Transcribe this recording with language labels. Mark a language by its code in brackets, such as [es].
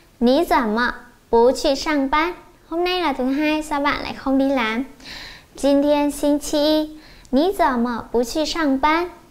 [zh] 我只是想回家。今天星期一，你怎么不去上班？ [vi] Hôm nay là thứ hai, sao bạn lại không đi làm? [zh] 今天星期一，你怎么不去上班？